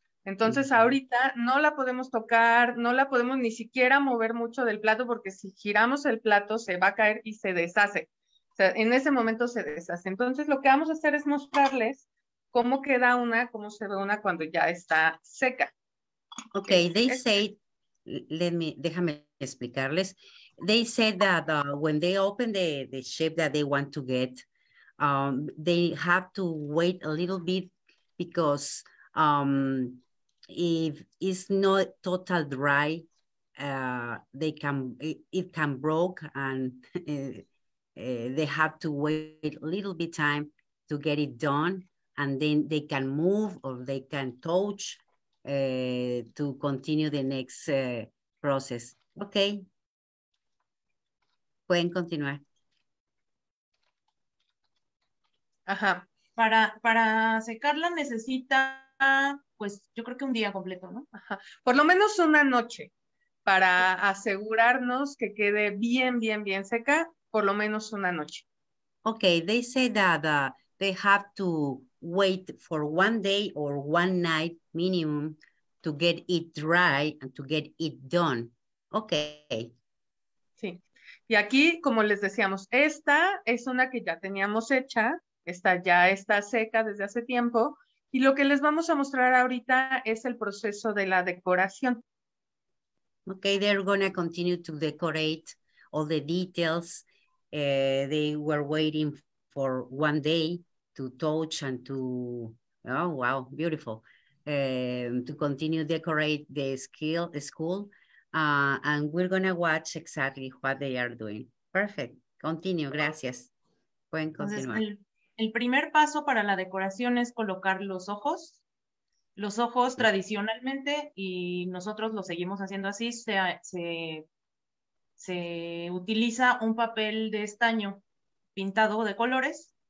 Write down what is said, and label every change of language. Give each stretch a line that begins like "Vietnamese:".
Spanish: Entonces, uh-huh, ahorita no la podemos tocar, no la podemos ni siquiera mover mucho del plato porque si giramos el plato se va a caer y se deshace. O sea, en ese momento se deshace. Entonces, lo que vamos a hacer es mostrarles cómo queda una, cómo se ve una cuando ya está seca. Ok, déjame explicarles.
English: They said that when they open the shape that they want to get, they have to wait a little bit because if it's not total dry, it can broke, and they have to wait a little bit time to get it done, and then they can move or they can touch to continue the next process. Okay.
Spanish: Pueden continuar. Ajá. Para secarla necesita, pues, yo creo que un día completo, ¿no? Ajá. Por lo menos una noche para asegurarnos que quede bien, bien, bien seca, por lo menos una noche.
English: Okay, they say that they have to wait for one day or one night minimum to get it dry and to get it done. Okay.
Spanish: Sí. Y aquí, como les decíamos, esta es una que ya teníamos hecha, esta ya está seca desde hace tiempo, y lo que les vamos a mostrar ahorita es el proceso de la decoración.
English: Okay, they're going to continue to decorate all the details. They were waiting for one day to touch and to, oh wow, beautiful, to continue decorate the school. And we're going to watch exactly what they are doing. Perfect. Continue.
Spanish: Gracias. Pueden continuar. Entonces, el primer paso para la decoración es colocar los ojos. Los ojos tradicionalmente, y nosotros lo seguimos haciendo así, se utiliza un papel de estaño pintado de colores.